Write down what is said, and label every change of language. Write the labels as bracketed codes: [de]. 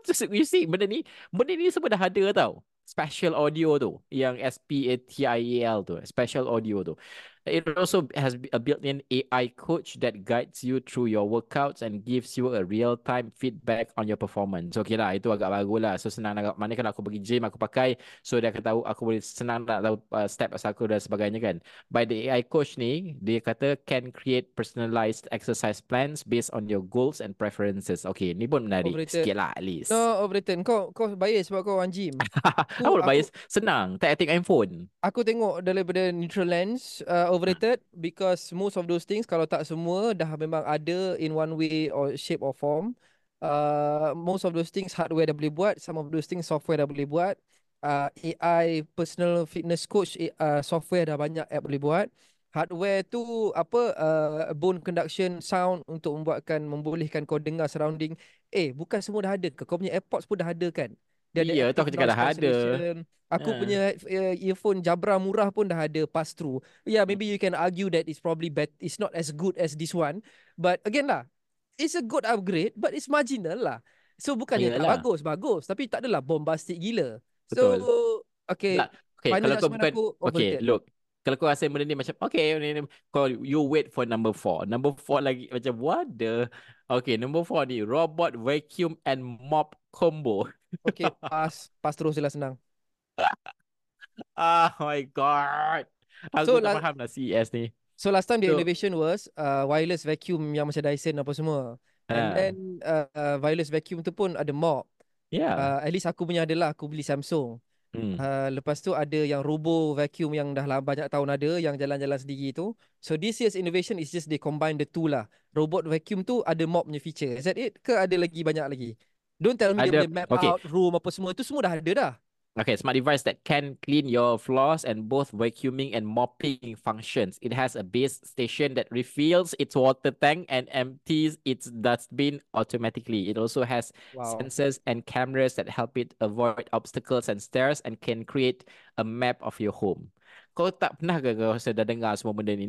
[ms] You see, benda ni semua dah ada tau. Special audio tu, yang SPATIAL tu, special audio tu. [en] It also has a built-in AI coach that guides you through your workouts and gives you a real-time feedback on your performance. [ms] Okay lah, itu agak baru lah. So senang nak, mana kan aku pergi gym, aku pakai. So dia akan tahu, aku boleh senang nak tahu step aku dan sebagainya kan. [en] By the AI coach ni, [ms] dia kata [en] can create personalized exercise plans based on your goals and preferences. [ms] Okay, ni pun menarik [en] overrated. [ms] Sikit lah at least. [en] No, overrated. [ms] Kau bias sebab kau orang gym. Aku boleh bias, senang. Tak ada handphone. [en] Aku tengok daripada neutral lens, overrated because most of those things, [ms] kalau tak semua, dah memang ada [en] in one way or shape or form. Most of those things hardware [ms] dah boleh buat, [en] some of those things software dah boleh buat. [ms] AI personal fitness coach software dah banyak app boleh buat. Hardware tu apa, bone conduction sound untuk membuatkan, membolehkan kau dengar surrounding. Bukan semua dah ada ke? Kau punya AirPods pun dah ada kan? Dia ada tu aku cakap dah ada. Aku punya earphone Jabra murah pun dah ada pass through. [en] Yeah, maybe you can argue that it's probably bad, it's not as good as this one. But again lah, it's a good upgrade but it's marginal lah. [ms] So bukannya tak bagus, bagus tapi tak adalah bombastic gila. Betul. [en] So okay. [ms] Okay, kalau kau bukan, okay, look. Kalau kau rasa benda ni macam okay, [en] you wait for number 4. Number 4 lagi macam what the. Okay, number 4 ni robot vacuum and mop combo. [ms] Okay, pass. Pass terus sila senang. [en] Oh my god. [ms] Aku so, tak faham lah CES ni. [en] So last time the innovation was wireless vacuum yang macam Dyson apa semua. And then wireless vacuum tu pun ada mop. Yeah. [ms] At least aku punya adalah, aku beli Samsung. Lepas tu ada yang robo vacuum yang dah banyak tahun ada, yang jalan-jalan sendiri tu. [en] So this year's innovation is just they combine the two lah. Robot vacuum tu ada mop punya feature. Is that it? [ms] Ke ada lagi banyak lagi? [en] Don't tell me [ms] ada, dia boleh map out room apa semua. Itu semua dah ada dah. [en] Okay, smart device that can clean your floors and both vacuuming and mopping functions. It has a base station that refills its water tank and empties its dustbin automatically. It also has sensors and cameras that help it avoid obstacles and stairs and can create a map of your home. [ms] Kau tak pernah ke kau sudah dengar semua benda ni?